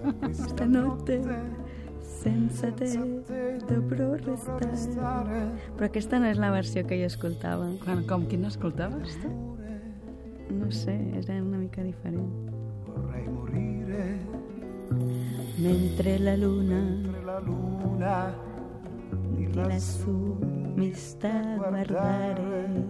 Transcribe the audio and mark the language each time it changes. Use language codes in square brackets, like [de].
[it] Esta notte senza te dovrò restare. [ca] Però aquesta no és la versió que jo escoltava. Com? Quina escoltaves? No sé, era una mica diferent. [it] Vorrei morire mentre la luna di lassù mi sta guardare.